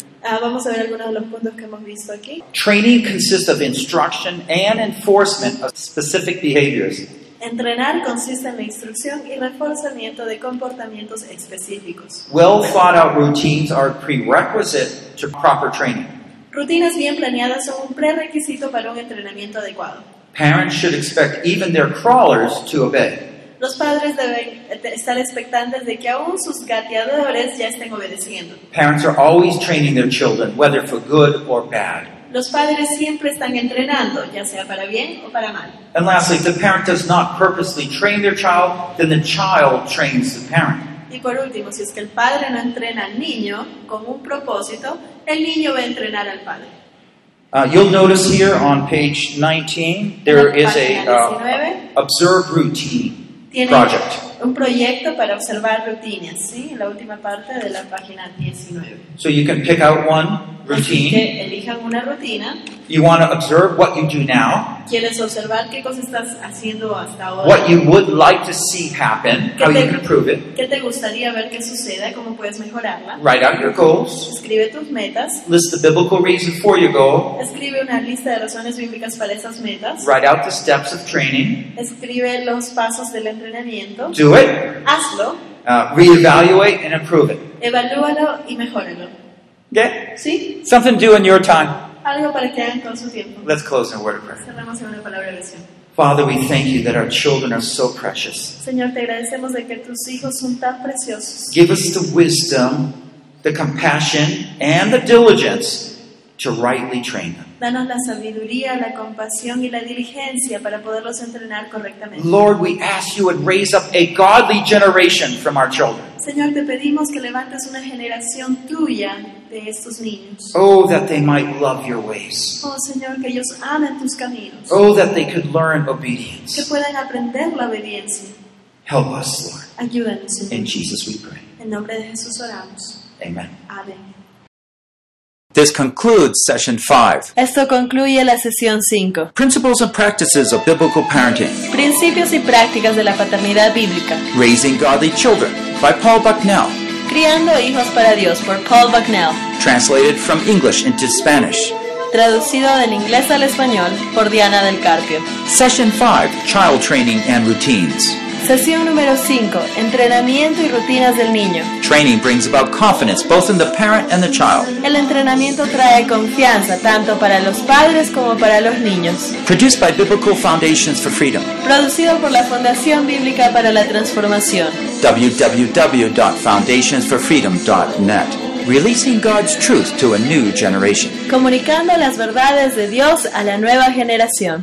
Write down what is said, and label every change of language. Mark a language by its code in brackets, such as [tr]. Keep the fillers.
[es] Ah, vamos a ver algunos de los puntos que hemos visto aquí. [en] Training consists of instruction and enforcement of specific behaviors. [es] Entrenar consiste en la instrucción y reforzamiento de comportamientos específicos. [en] Well thought out routines are prerequisite to proper training. [es] Rutinas bien planeadas son un prerequisito para un entrenamiento adecuado. [en] Parents should expect even their crawlers to obey. [es] Los padres deben eh, estar expectantes de que aún sus gateadores ya estén obedeciendo. [en] Parents are always training their children, whether for good or bad. [es] Los padres siempre están entrenando, ya sea para bien o para mal. [en] And lastly, if the parent does not purposely train their child, then the child trains the parent. [es] Y por último, si es que el padre no entrena al niño con un propósito, el niño va a entrenar al padre. [en] Uh, you'll notice here on page 19, there is a uh, observe routine [es] Tiene [en] project. [es] un proyecto para observar rutinas, ¿sí? En la última parte de la página 19. [en] So you can pick out one [es] Así [en] routine. [es] que elijan una rutina. [en] You want to observe what you do now, [es] Quieres observar qué cosas estás haciendo hasta ahora. [en] what you would like to see happen, how you can improve it. [es] ¿Qué te gustaría ver que suceda? ¿Cómo puedes mejorarla? [en] Write out your goals. [es] Escribe tus metas. [en] List the biblical reason for your goal. [es] Escribe una lista de razones bíblicas para esas metas. [en] Write out the steps of training. [es] Escribe los pasos del entrenamiento. [en] Do it. [es] Hazlo, [en] Uh, reevaluate and improve it. [es] evalúalo y mejóralo. [en] Okay? [es] ¿Sí? [en] Something to do in your time. [es] Algo para que hagan con su tiempo. [en] Let's close in a word of prayer. [es] Cerramos en una palabra de oración. [en] Father, we thank you that our children are so precious. [es] Señor, te agradecemos de que tus hijos son tan preciosos. [en] Give us the wisdom, the compassion, and the diligence to rightly train them. [es] Danos la sabiduría, la compasión y la diligencia para poderlos entrenar correctamente. [en] Lord, we ask you would raise up a godly generation from our children. [es] Señor, te pedimos que levantes una generación tuya de estos niños. [en] Oh, that they might love your ways. [es] Oh Señor, que ellos amen tus caminos, [en] Oh, that they could learn [es] que [en] obedience. [es] puedan aprender la obediencia. [en] Help us, Lord. [es] Ayúdanos, [en] In [es] Señor. [en] Jesus we pray. [es] En nombre de Jesús oramos. [en] Amen. [es] Amén. [en] This concludes session 5 [es] Esto concluye la sesión 5. [en] Principles and Practices of Biblical Parenting [es] Principios y prácticas de la paternidad bíblica. [en] Raising Godly Children by Paul Bucknell, [es] Criando hijos para Dios por Paul Bucknell. [en] translated from English into Spanish. [es] Traducido del inglés al español por Diana del Carpio. [en] Session 5 Child Training and Routines. [es] Sesión número 5. Entrenamiento y rutinas del niño. [en] Training brings about confidence both in the parent and the child. [es] El entrenamiento trae confianza tanto para los padres como para los niños. [en] Produced by Biblical Foundations for Freedom. [es] Producido por la Fundación Bíblica para la Transformación. [en] www.foundationsforfreedom.net. Releasing God's truth to a new generation. [es] Comunicando las verdades de Dios a la nueva generación.